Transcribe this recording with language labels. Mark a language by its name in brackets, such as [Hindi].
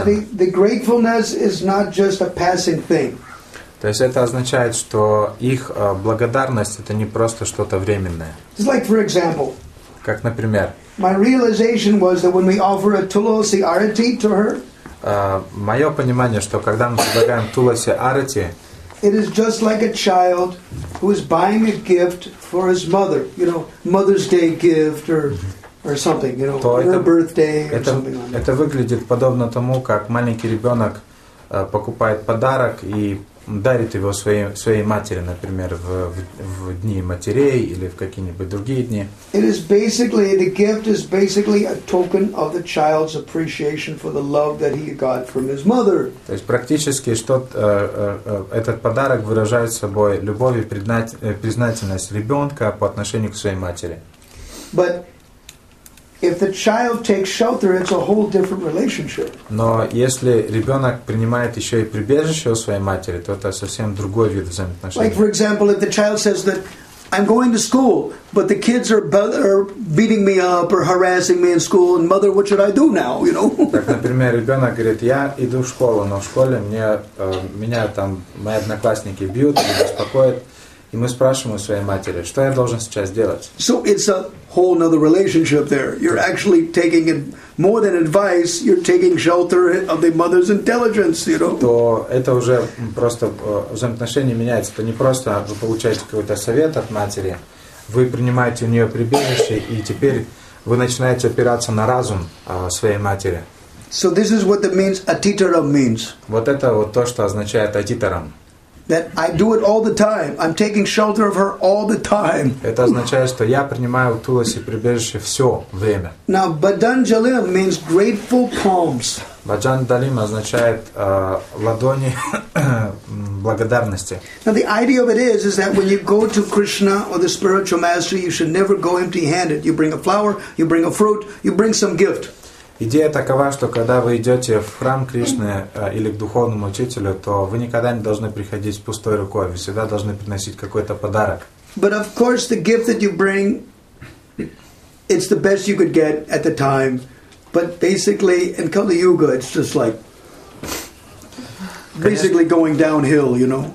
[English] The gratefulness is not just a passing thing. [Russian] То есть это означает, что их благодарность это не просто что-то временное. [English] It's like, for example, [Russian] как, например, [English] my realization was that when we offer a Tulsi arati to her, [Russian] мое понимание, что когда мы предлагаем Тулси арати, [English] It is just like a child who is buying a gift for his mother, you know, Mother's Day gift or something, you know, her birthday or something like that. [Russian] Это выглядит подобно тому, как маленький ребенок покупает подарок и дарит его своей матери, например, в дни матерей или в какие-нибудь другие дни. [English] It is basically, the gift is basically a token of the child's appreciation for the love that he got from his mother. [Russian] То есть практически этот подарок выражает собой любовь и признательность ребенка по отношению к своей матери. [English] But if the child takes shelter, it's a whole different relationship. [Russian] Но если ребенок принимает еще и прибежище у своей матери, то это совсем другой вид взаимоотношений. [English] Like, for example, if the child says that I'm going to school, but the kids are beating me up or harassing me in school, and mother, what should I do now? You know. [Russian] Так, например, ребенок говорит, я иду в школу, но в школе меня там мои одноклассники бьют и беспокоят. И мы спрашиваем у своей матери, что я должен сейчас делать? [English] So it's a whole another relationship there. You're actually taking it more than advice. You're taking shelter of the mother's intelligence. You know. [Russian] То это уже просто взаимоотношения меняются. Это не просто вы получаете какой-то совет от матери, вы принимаете у нее прибежище, и теперь вы начинаете опираться на разум своей матери. [English] So this is what the means atitaram means. [Russian] Вот это вот то, что означает атитарам. [English] That I do it all the time. I'm taking shelter of her all the time. [Russian] Это означает, что я принимаю у Туласи прибежище все время. [English] Now, Bhajan Jalim means grateful palms. [Russian] Bhajan Jalim означает ладони благодарности. [English] Now, the idea of it is that when you go to Krishna or the spiritual master, you should never go empty-handed. You bring a flower, you bring a fruit, you bring some gift. [Russian] Идея такова, что когда вы идете в храм Кришны или к духовному учителю, то вы никогда не должны приходить с пустой рукой, вы всегда должны приносить какой-то подарок. [English] But of course the gift that you bring, it's the best you could get at the time. But basically in Kali Yuga it's just like basically going downhill, you know.